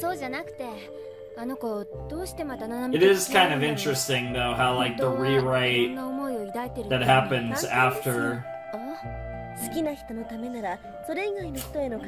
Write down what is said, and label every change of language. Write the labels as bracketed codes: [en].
[ja] そうじゃなくて、あの子どうしてまたナナミ。 [en] It is kind of interesting though how like the rewrite that happens after. [ja] 好きな人のためならそれ以外の人への感